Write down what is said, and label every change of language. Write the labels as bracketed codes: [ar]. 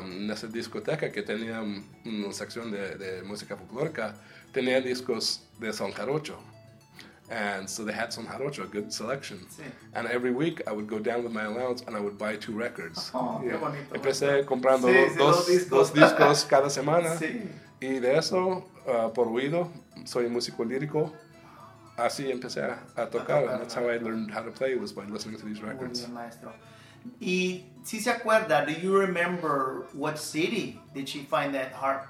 [es] En esa discoteca que tenía una sección de música folclórica, tenía discos de son jarocho. [en] And so they had son jarocho, a good selection. [es] Sí. [en] And every week I would go down with my allowance and I would buy 2 records. Oh, yeah. [es] Qué bonito. Empecé comprando dos discos cada semana. Sí. Y de eso, por oído, soy músico lírico. Así empecé a tocar. [en] And that's how I learned how to play, was by listening to these records. [es] Muy bien, maestro. Y si se acuerda, [en] do you remember what city did she find that harp?